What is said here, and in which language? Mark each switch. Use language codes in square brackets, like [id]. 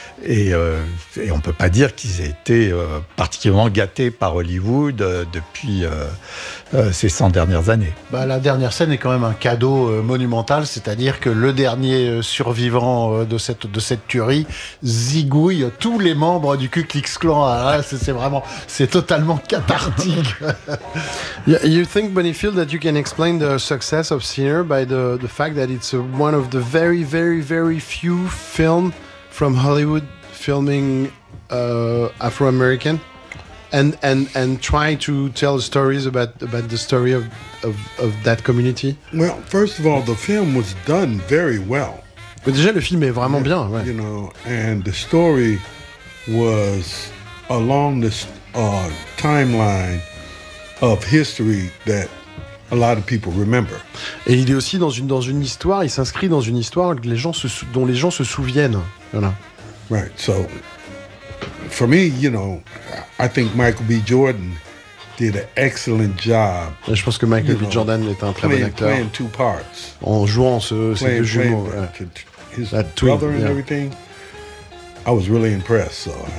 [fr] Et on ne peut pas dire qu'ils aient été particulièrement gâtés par Hollywood depuis ces 100 dernières années. Bah, la dernière scène est quand même un cadeau monumental, c'est-à-dire que le dernier survivant de cette tuerie zigouille tous les membres du Ku Klux Klan. C'est totalement cathartique. [en] You think, Bunnyfield, that you can explain the success of Sinner by the fact that it's a one of the very, very, very few film from Hollywood filming Afro-American and try to tell stories about the story of that community? Well, first of all, the film was done very well. [fr] Mais déjà, le film est vraiment bien. Ouais. [en] You know, and the story was along this timeline of history that a lot of people remember. [fr] Et il est aussi dans une histoire, il s'inscrit dans une histoire dont les gens se souviennent. Voilà. [en] Right, so for me, you know, I think Michael B. Jordan did an excellent job. [fr] Et je pense que Michael B. Jordan est un très bon acteur. [en] Playing two parts. [fr] En jouant ces deux jumeaux. [en] His brother and everything. I was really impressed. So.